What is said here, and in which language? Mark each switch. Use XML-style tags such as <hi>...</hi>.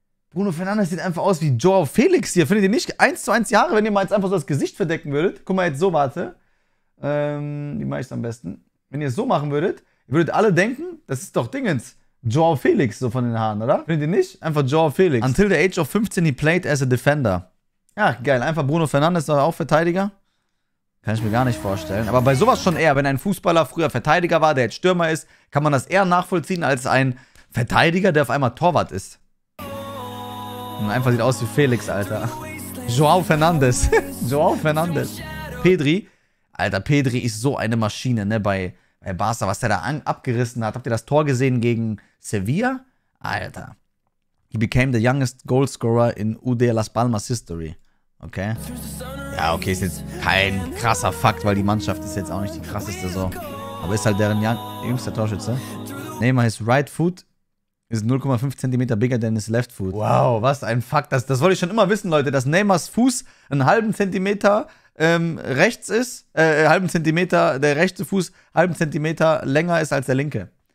<de>Bruno Fernandes sieht einfach aus wie Joao Felix hier. Findet ihr nicht 1:1 Jahre, wenn ihr mal jetzt einfach so das Gesicht verdecken würdet? Guck mal jetzt so, warte. Wie mache ich es am besten? Wenn ihr es so machen würdet, würdet alle denken, das ist doch Dingens. Joao Felix, so von den Haaren, oder? Findet ihr nicht? Einfach Joao Felix.</de> <en>Until the age of 15, he played as a defender.</en> <de>Ja, geil. Einfach Bruno Fernandes, auch Verteidiger. Kann ich mir gar nicht vorstellen. Aber bei sowas schon eher. Wenn ein Fußballer früher Verteidiger war, der jetzt Stürmer ist, kann man das eher nachvollziehen als ein Verteidiger, der auf einmal Torwart ist. Und einfach sieht aus wie Felix, Alter. Joao Fernandes. Joao Fernandes. Pedri. Alter, Pedri ist so eine Maschine, ne, bei Barca, was der da abgerissen hat. Habt ihr das Tor gesehen gegen Sevilla? Alter.</de> <en>He became the youngest goalscorer in UD Las Palmas history. Okay.</en> <de>Ja, okay, ist jetzt kein krasser Fakt, weil die Mannschaft ist jetzt auch nicht die krasseste so. Aber ist halt deren jüngster Torschütze.</de> <en>Neymar, his right foot is 0,5 cm bigger than his left foot.</en> <de>Wow, was ein Fakt. Das wollte ich schon immer wissen, Leute, dass Neymars Fuß einen halben Zentimeter rechts ist, halben Zentimeter, der rechte Fuß halben Zentimeter länger ist als der linke.</de>